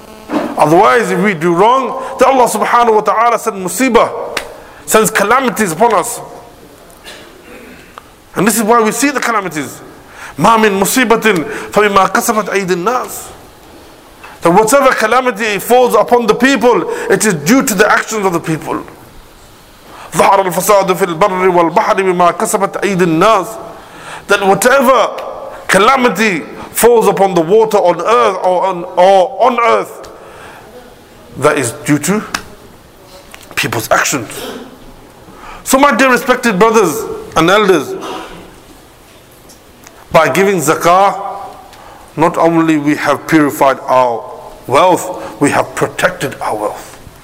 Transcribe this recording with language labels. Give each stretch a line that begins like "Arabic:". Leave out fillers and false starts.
English: Otherwise, if we do wrong, then Allah subhanahu wa ta'ala sends musibah, sends calamities upon us. And this is why we see the calamities.
Arabic: مَا مِن مُصِيبَةٍ فَمِمَا كَسَبَتْ أَيْدِ النَّاسِ.
English: That whatever calamity falls upon the people, it is due to the actions of the people.
Arabic: ظهر الفساد في البر والبحر بما كسبت أيدي الناس.
English: That whatever calamity falls upon the water on earth or on earth, that is due to people's actions. So my dear respected brothers and elders, by giving zakah, not only we have purified our wealth, we have protected our wealth.